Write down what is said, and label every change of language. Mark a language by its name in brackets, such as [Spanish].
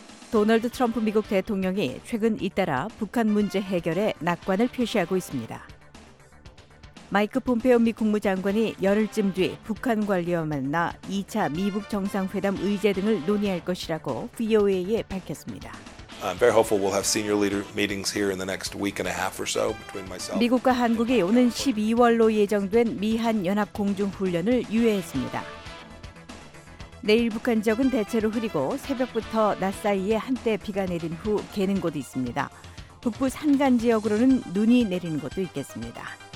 [Korean] 도널드 트럼프 미국 대통령이 최근 잇따라 북한 문제 해결에 낙관을 표시하고 있습니다. 마이크 폼페오 미 국무장관이 열흘쯤 뒤 북한 관리와 만나 2차 미북 정상회담 의제 등을 논의할 것이라고 VOA에 밝혔습니다. [English] I'm very hopeful we'll have senior leader meetings here in the next week and a half or so between myself. [Korean] 미국과 한국이 오는 12월로 예정된 미한 연합 공중 훈련을 유예했습니다. 내일 북한 지역은 대체로 흐리고 새벽부터 낮 사이에 한때 비가 내린 후 개는 곳도 있습니다. 북부 산간 지역으로는 눈이 내리는 곳도 있겠습니다.